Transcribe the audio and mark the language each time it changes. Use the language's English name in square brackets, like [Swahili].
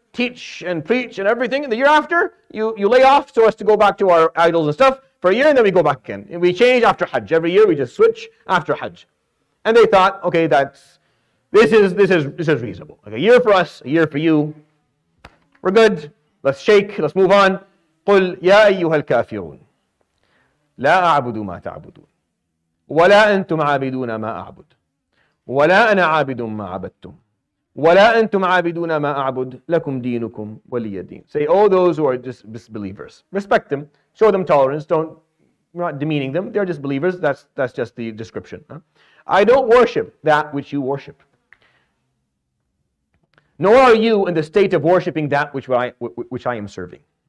[English] Teach and preach and everything. And the year after, you lay off so as to go back to our idols and stuff for a year, and then we go back again. And we change after Hajj. Every year we just switch after Hajj. And they thought, okay, this is reasonable. Like a year for us, a year for you. We're good. Let's shake. Let's move on. [Arabic] قُلْ يَا أَيُّهَا الْكَافِرُونَ لَا أَعْبُدُ مَا تَعْبُدُونَ وَلَا أَنْتُمْ عَابِدُونَ مَا أَعْبُدُ وَلَا أَنَا عَابِدٌ مَا عَبَدْتُمْ ولا أنتم عابدون ما أعبد لكم دينكم ولي الدين. [English] Say all those who are just disbelievers, respect them, show them tolerance. We're not demeaning them. They're just believers. That's just the description. Huh? I don't worship that which you worship. Nor are you in the state of worshiping that which I am serving.